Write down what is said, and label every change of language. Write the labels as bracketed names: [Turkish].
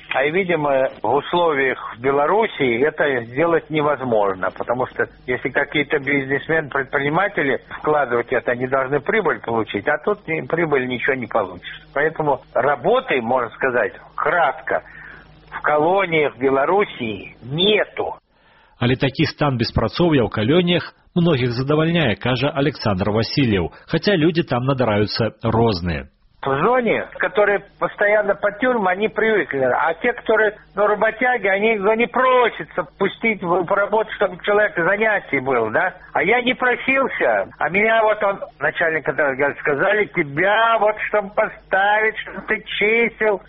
[Russian] А видимо, в условиях Белоруссии это сделать невозможно, потому что если какие-то бизнесмены, предприниматели вкладывать это, они должны прибыль получить, а тут прибыль ничего не получится. Поэтому работы, можно сказать, кратко, в колониях Белоруссии нету. [Belarusian] Але такі стан беспрацоўя ў калоніях многіх задавальняе, кажа Александр Васильев, [Russian] хотя люди там [Belarusian] надараюцца розныя. [Russian] В зоне, которые постоянно по тюрьмам, они привыкли. А те, которые, ну, работяги, они просятся пустить в работу, чтобы человек занятий был, да? А я не просился. А меня вот он, начальник, сказали, тебя вот, чтобы поставить, чтобы ты чистил.